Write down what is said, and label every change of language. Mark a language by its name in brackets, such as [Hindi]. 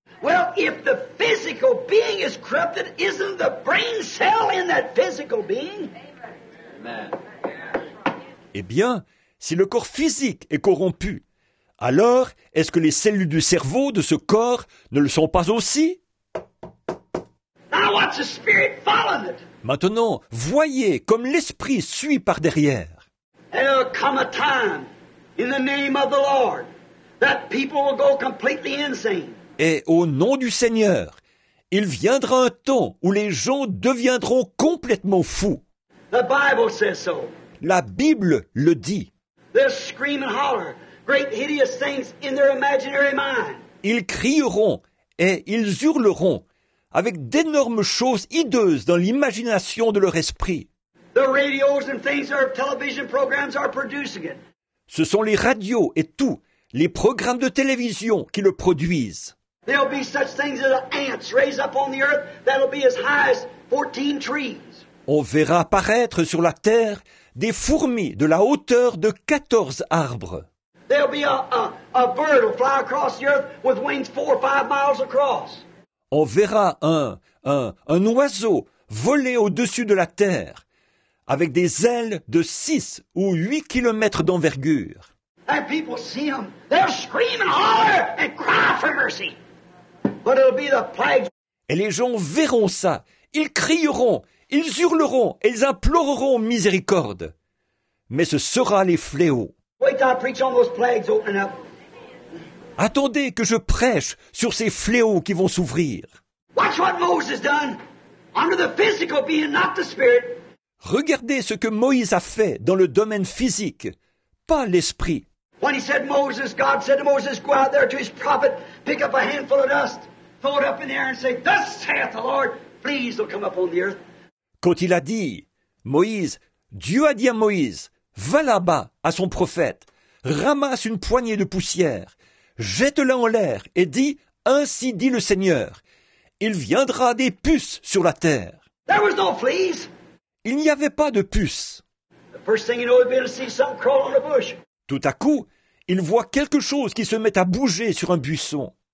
[English] Well, if the physical being is corrupted, isn't the brain cell in that physical being? Amen. [French] Eh bien, si le corps physique est corrompu, alors est-ce que les cellules du cerveau de ce corps ne le sont pas aussi? [English] Now watch the spirit following it. [French] Maintenant, voyez comme l'esprit suit par derrière. [English] There'll come a time in the name of the Lord that people will go completely insane. [French] Et au nom du Seigneur, il viendra un temps où les gens deviendront complètement fous. [English] The Bible says so. [French] La Bible le dit. [English] They'll scream and holler, great hideous things in their imaginary mind. [French] Ils crieront et ils hurleront avec d'énormes choses hideuses dans l'imagination de leur esprit. [English] The radios and things, our television programs are producing it. [French] Ce sont les radios et tout, les programmes de télévision qui le produisent. [English] There'll be such things as ants raised up on the earth that'll be as high as 14 trees. [French] On verra apparaître sur la terre des fourmis de la hauteur de 14 arbres. [English] There'll be a bird will fly across the earth with wings 4 or 5 miles across. [French] On verra un oiseau voler au-dessus de la terre avec des ailes de 6 ou 8 kilomètres d'envergure. [English] And people see them, they'll scream and holler and cry for mercy. But it'll be the plague. [French] Et les gens verront ça. Ils crieront, ils hurleront et ils imploreront miséricorde. Mais ce sera les fléaux. [English] Wait till I preach on those plagues opening up. [French] Attendez que je prêche sur ces fléaux qui vont s'ouvrir. [English] Watch what Moses done under the physical being, not the spirit. [French] Regardez ce que Moïse a fait dans le domaine physique, pas l'esprit. [English] When he said Moses, God said to Moses, go out there to his prophet, pick up a handful of dust, throw it up in the air and say, thus saith the Lord, fleas will come upon the earth. [French] Quand il a dit, Moïse, Dieu a dit à Moïse, va là-bas à son prophète, ramasse une poignée de poussière, jette-la en l'air et dis, ainsi dit le Seigneur, il viendra des puces sur la terre. [English] There was no fleas. [French] Il n'y avait pas de puces. [English] The first thing you know, you'd be able to see something crawl on a bush. [French] Tout à coup, il voit quelque chose qui se met à bouger sur un buisson.